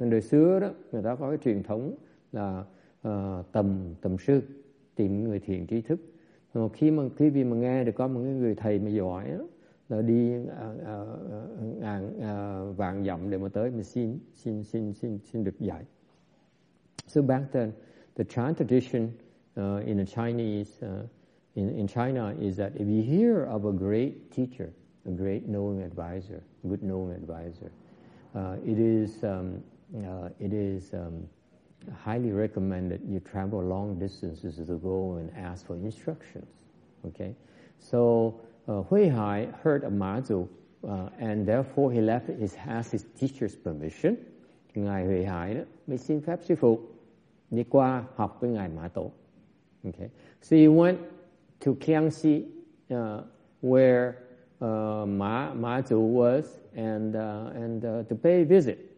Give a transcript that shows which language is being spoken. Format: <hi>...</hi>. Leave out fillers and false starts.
<vi>Nên đời xưa đó người ta có cái truyền thống là tầm sư, tìm người thiền trí thức. Mà khi mà nghe được có một người thầy mà giỏi đó, là đi ngàn vạn dặm để mà tới mà xin được dạy.</vi> <en>So back then the Chan tradition in the Chinese In China is that if you hear of a great teacher, a great knowing advisor, good knowing advisor, it is highly recommended you travel long distances to go and ask for instructions. Okay, so Huệ Hải heard of Ma Zu, and therefore he left his asked his teacher's permission.</en> <vi>Ngài Huệ Hải mới xin phép sư phụ đi qua học với ngài Mã Tổ.</vi> <en>Okay, so he went to Jiangxi, where Ma Zu was, and to pay a visit.</en>